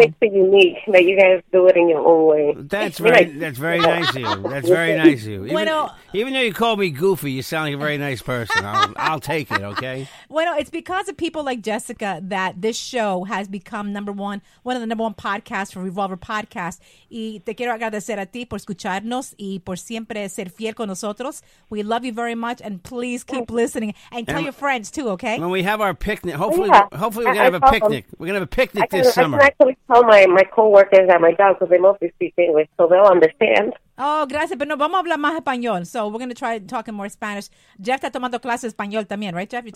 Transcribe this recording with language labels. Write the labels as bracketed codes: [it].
[en] That's what makes it unique, that you guys do it in your own way. That's very nice of you. Even though you call me goofy, you sound like a very nice person. I'll take it, okay? Well, it's because of people like Jessica that this show has become one of the number one podcasts for Revolver Podcast. [es] Y te quiero agradecer a ti por escucharnos y por siempre ser fiel con nosotros. [en] We love you very much, and please keep listening. And tell your friends, too, okay? When we have our picnic, hopefully we're going to have a picnic. We're going to have a picnic this summer. I can actually tell my co-workers at my job, because they mostly speak English, so they'll understand. [es] Oh, gracias. Pero no, vamos a hablar más español. [en] So we're going to try talking more Spanish. [es] Jeff está tomando clases de español también, [en] right, [es] Jeff?